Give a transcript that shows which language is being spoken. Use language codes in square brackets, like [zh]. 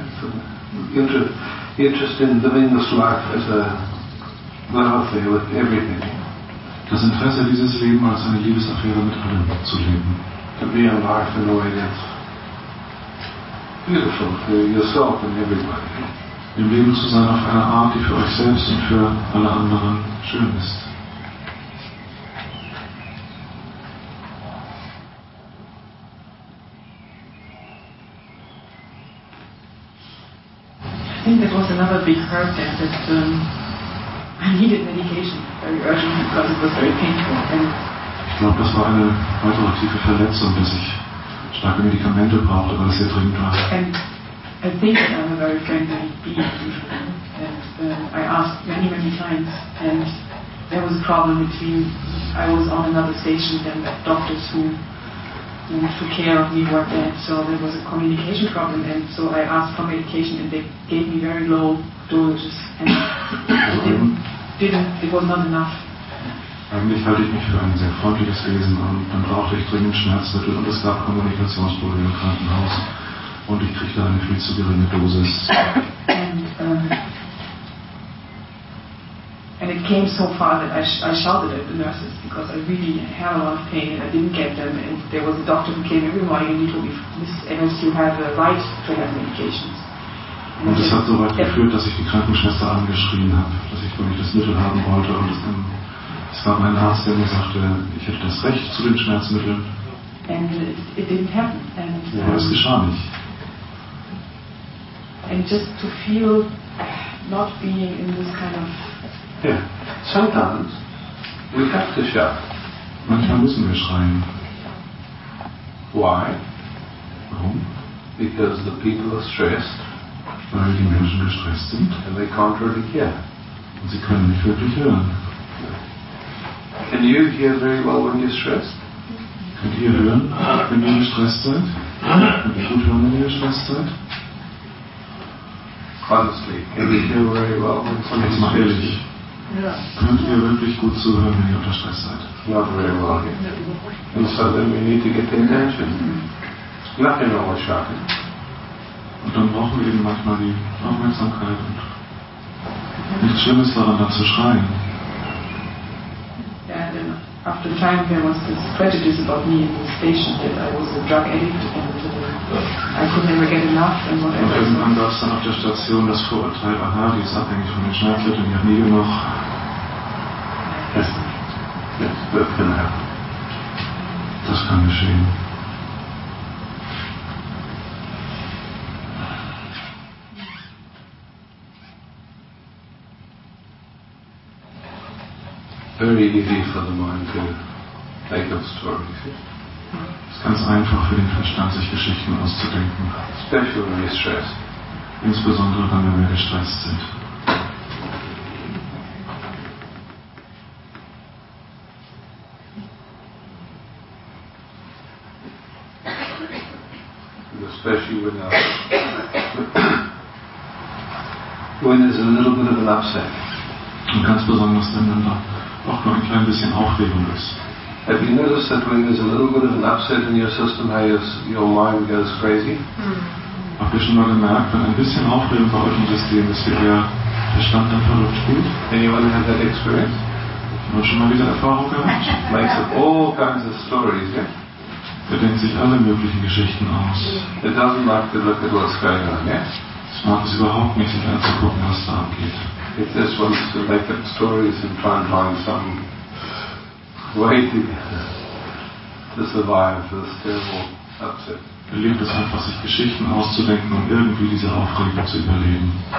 [en] It's an interest in living this life as a love affair with everything. [de] Das Interesse, dieses Leben als eine Liebesaffäre mit allem zu leben. [en] To be in life in a way that's beautiful for yourself and everybody. [de] Im Leben zu sein auf eine Art, die für euch selbst und für alle anderen schön ist. [en] I think there was another big hurdle that I needed medication very urgently because it was very painful. And [de] ich glaube, das war eine weitere tiefe Verletzung, dass ich starke Medikamente brauchte, weil es sehr dringend war. [en] And I think that I'm a very friendly being, and I asked many, many times, and there was a problem between I was on another station than the doctors who took care of me were dead, so there was a communication problem, and so I asked for medication and they gave me very low dosages and it was not enough. [de] Eigentlich halte ich mich für ein sehr freundliches Wesen und dann brauchte ich dringend Schmerzmittel und es gab Kommunikationsprobleme im Krankenhaus und ich kriegte eine viel zu geringe Dosis. [en] And it came so far that I shouted at the nurses because I really had a lot of pain and I didn't get them. And there was a doctor who came every morning and he told me, Mrs. Evans, you have a right to have medications. [de] Und es hat so weit geführt, dass ich die Krankenschwester angeschrien habe, dass ich wirklich das Mittel haben wollte. Und es war mein Arzt, der mir sagte, ich hätte das Recht zu den Schmerzmitteln. [en] And it didn't happen. [de] Aber es geschah nicht. [en] And just to feel not being in this kind of... Yeah, sometimes we have to shout. [de] Manchmal müssen wir schreien. [en] Why? [de] Warum? [en] Because the people are stressed. [de] Weil die Menschen gestresst sind. [en] And they can't really hear. [de] Und sie können nicht wirklich hören. [en] Can you hear very well when you're stressed? [de] Könnt ihr hören, wenn ihr gestresst seid? Könnt ihr gut hören, wenn ihr gestresst seid? [en] Honestly, can you hear very well when somebody's stressed? [de] Jetzt mal ehrlich. Könnt ihr wirklich gut zuhören, wenn ihr unter Stress seid? [en] Not very well. And so then we need to get the attention. Nothing will shock you. [de] Und dann brauchen wir eben manchmal die Aufmerksamkeit. Und nichts Schlimmes daran, da zu schreien. [en] And then after a time there was this prejudice about me in the station that I was a drug addict and I could never get enough and whatever. [de] Und irgendwann gab es dann auf der Station das Vorurteil, aha, die ist abhängig von den Schmerzmitteln, die hat nie genug. Das kann geschehen. [en] Very easy for the mind to make up stories. [de] Es ist ganz einfach für den Verstand, sich Geschichten auszudenken. [en] Especially when you're stressed. [de] Insbesondere dann, wenn wir gestresst sind. [en] And especially when there's a little bit of an upset. [de] Und ganz besonders dann, wenn da auch noch ein klein bisschen Aufregung ist. [en] Have you noticed that when there's a little bit of an upset in your system, how your mind goes crazy? Mm-hmm. [de] Habt ihr schon mal gemerkt, wenn ein bisschen Aufregung bei euch im System ist, wie der Verstand dann verrückt spielt? [en] Anyone had that experience? [de] Habt ihr schon mal diese Erfahrung gehabt? [en] Makes up all kinds of stories, yeah? [de] Der denkt sich alle möglichen Geschichten aus. [en] It doesn't like to look at what's going on, yeah? [de] Es mag es überhaupt nicht, sich anzugucken, was da abgeht. [en] It just wants to make up stories and try and find some way to survive this terrible upset. [de] Er liebt es einfach, sich Geschichten auszudenken und irgendwie diese Aufregung zu überleben.